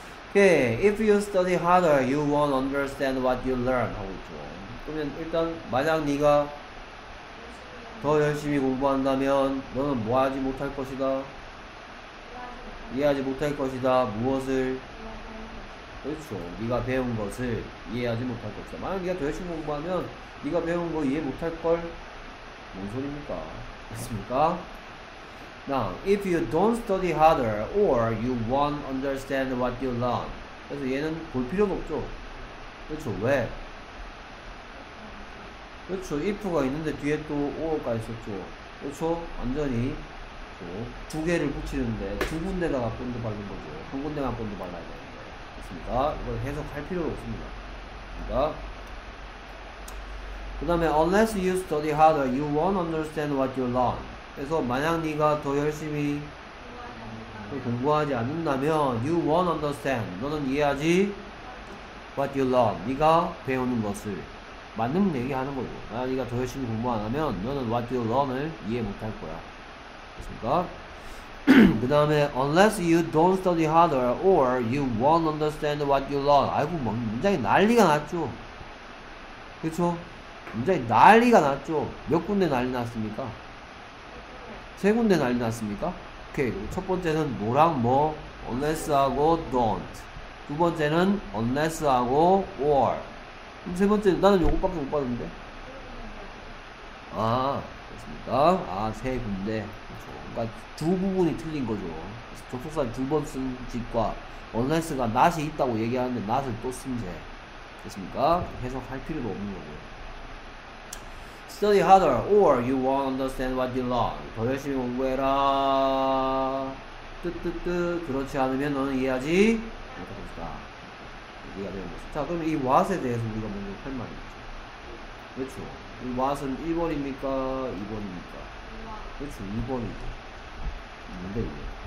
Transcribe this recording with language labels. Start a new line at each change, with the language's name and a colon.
English: 오케이, If you study harder, you won't understand what you learn
Korean: 하고 있죠. 그러면 일단 만약 네가 더 열심히 공부한다면 너는 뭐 하지 못할 것이다? 이해하지 못할 것이다. 무엇을? 그렇죠. 네가 배운 것을 이해하지 못할 것이다. 만약 네가 더 열심히 공부하면 네가 배운 거 이해 못할 걸? 뭔 소리입니까? 맞습니까?
English: Now, if you don't study harder or you won't understand what you learn.
Korean: 그래서 얘는 볼 필요가 없죠. 그렇죠. 왜? 그렇죠. if가 있는데 뒤에 또 or가 있었죠. 그렇죠. 완전히 두 개를 붙이는데 두 군데다가 본드 박는 거죠. 한 군데만 본드 박아야 되는데. 맞습니다. 이걸 해석할 필요가 없습니다. 맞습니다. 그 다음에
English: unless you study harder, you won't understand what you learn.
Korean: 그래서 만약 네가 더 열심히 공부하지 않는다면
English: you won't understand.
Korean: 너는 이해하지
English: what you learn.
Korean: 네가 배우는 것을 맞는 얘기하는 거죠. 만약 네가 더 열심히 공부 안 하면 너는
English: what you learn
Korean: 을 이해 못할 거야. 맞습니까? 그 다음에
English: unless you don't study harder or you won't understand what you learn.
Korean: 아이고, 막 문장이 난리가 났죠. 그렇죠? 문장이 난리가 났죠. 몇 군데 난리 났습니까? 세 군데 난리 났습니까? 오케이. 첫 번째는 뭐랑 뭐? unless 하고 don't. 두 번째는 unless 하고 or. 그럼 세 번째는 나는 요것밖에 못 봤는데. 아, 그렇습니까? 아, 세 군데. 그러니까 두 부분이 틀린 거죠. 접속사 두번쓴 집과 unless가 not이 있다고 얘기하는데 not을 또쓴 재. 그렇습니까? 해석할 필요도 없는 거고요.
English: Study harder or you won't understand what you learn.
Korean: 더 열심히 공부해라. 뜨뜨뜨. 그렇지 않으면 너는 이해하지 못할 것이다. 우리가 배운 것. 자, 그럼 이 what에 대해서 우리가 먼저 할 말이 있죠. 그렇죠. 이 what은 1번입니까? 2번입니까? 그렇죠. 2번이죠. 뭔데 이게?